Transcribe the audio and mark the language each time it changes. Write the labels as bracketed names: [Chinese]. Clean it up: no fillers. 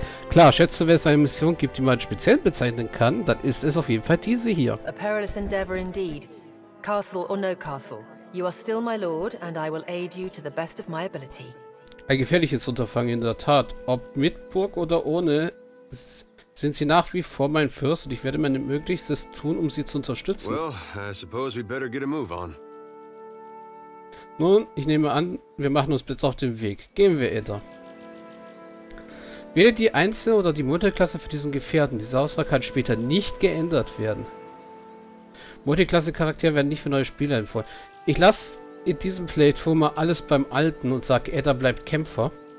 [German] Klar, schätze, wenn es eine Mission gibt, die man speziell bezeichnen kann, dann ist es auf jeden Fall diese hier. [English] A perilous endeavor indeed. Castle or no castle, you are still my lord and I will aid you to the best of my ability. [German] Ein gefährliches Unterfangen in der Tat. Ob mit Burg oder ohne, sind sie nach wie vor mein Fürst und ich werde mein Möglichstes tun, um sie zu unterstützen. [English] Well, I suppose we better get a move on. [German] Nun, ich nehme an, wir machen uns bis auf den Weg. Gehen wir, Aether. Wähle die Einzel- oder die Multiklasse für diesen Gefährten. Diese Auswahl kann später nicht geändert werden. Multiklasse-Charaktere werden nicht für neue Spieler empfohlen. Ich lasse in diesem Playthrough mal alles beim Alten und sage, Aether bleibt Kämpfer.